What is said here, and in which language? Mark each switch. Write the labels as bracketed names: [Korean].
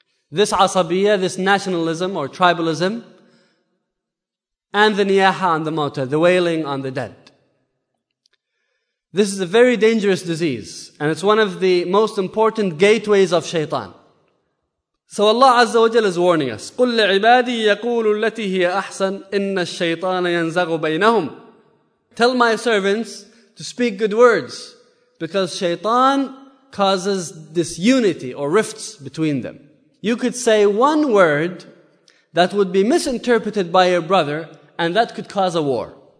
[English] This asabiyyah, this nationalism or tribalism, and the niyaha on the mauta, the wailing on the dead. This is a very dangerous disease, and it's one of the most important gateways of shaitan. So Allah Azza wa Jalla is warning us, [Arabic] قُلْ لِعِبَادِي يَقُولُ الَّتِي هِيَ أَحْسَنُ إِنَّ الشَّيْطَانَ يَنْزَغُ بَيْنَهُمْ. [English] Tell my servants to speak good words, because shaitan causes disunity or rifts between them. You could say one word that would be misinterpreted by your brother, and that could cause a war.